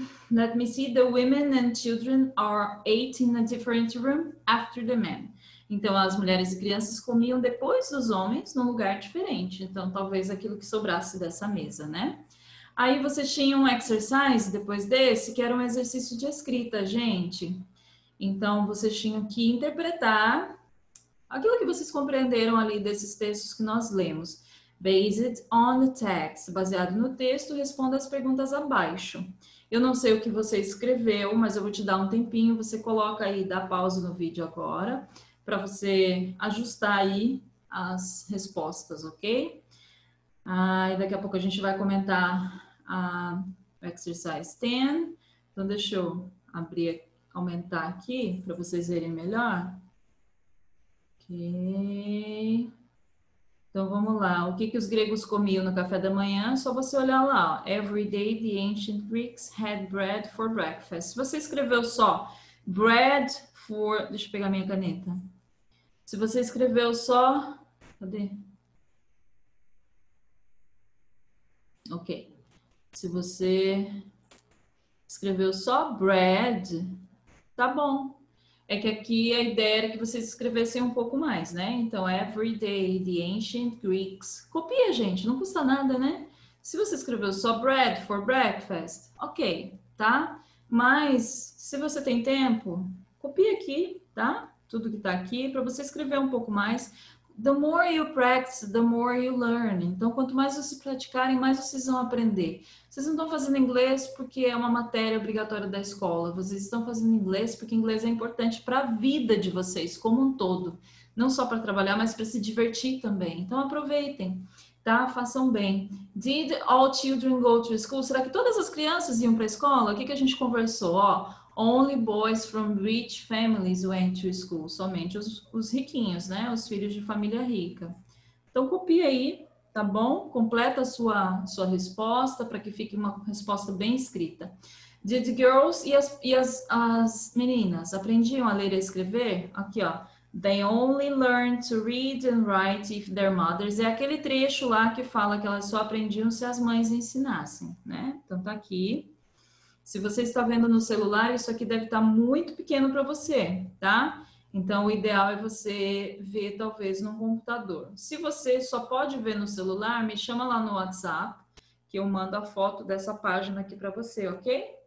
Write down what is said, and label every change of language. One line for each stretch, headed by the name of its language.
English: Let me see, the women and children are ate in a different room after the men.
Portuguese: Então, as mulheres e crianças comiam depois dos homens num lugar diferente. Então, talvez aquilo que sobrasse dessa mesa, né? Aí você tinha um exercise depois desse, que era um exercício de escrita, gente. Então, você tinha que interpretar aquilo que vocês compreenderam ali desses textos que nós lemos. Based on the text, baseado no texto, responda as perguntas abaixo. Eu não sei o que você escreveu, mas eu vou te dar um tempinho, você coloca aí, dá pausa no vídeo agora, para você ajustar aí as respostas, ok? Ah, e daqui a pouco a gente vai comentar o exercise 10. Então deixa eu abrir, aumentar aqui para vocês verem melhor. Ok. Então vamos lá, o que que os gregos comiam no café da manhã? Só você olhar lá, ó.
English: Every day the ancient Greeks had bread for breakfast.
Portuguese: Se você escreveu só bread for... Deixa eu pegar minha caneta. Se você escreveu só... Cadê? Ok. Se você escreveu só bread, tá bom. É que aqui a ideia era que vocês escrevessem um pouco mais, né? Então,
English: every day the ancient Greeks.
Portuguese: Copia, gente, não custa nada, né? Se você escreveu só
English: bread for breakfast,
Portuguese: ok, tá? Mas, se você tem tempo, copia aqui, tá? Tudo que tá aqui, para você escrever um pouco mais.
English: The more you practice, the more you learn.
Portuguese: Então, quanto mais vocês praticarem, mais vocês vão aprender. Vocês não estão fazendo inglês porque é uma matéria obrigatória da escola. Vocês estão fazendo inglês porque inglês é importante para a vida de vocês como um todo. Não só para trabalhar, mas para se divertir também. Então, aproveitem, tá? Façam bem.
English: Did all children go to school?
Portuguese: Será que todas as crianças iam para a escola? O que que a gente conversou?
English: Ó, only boys from rich families went to school.
Portuguese: Somente os riquinhos, né? Os filhos de família rica. Então, copia aí, tá bom? Completa a sua resposta para que fique uma resposta bem escrita.
English: Did girls
Portuguese: e as meninas aprendiam a ler e a escrever? Aqui, ó.
English: They only learn to read and write if their mothers.
Portuguese: É aquele trecho lá que fala que elas só aprendiam se as mães ensinassem, né? Então tá aqui. Se você está vendo no celular, isso aqui deve estar muito pequeno para você, tá? Então o ideal é você ver talvez no computador. Se você só pode ver no celular, me chama lá no WhatsApp, que eu mando a foto dessa página aqui para você, ok?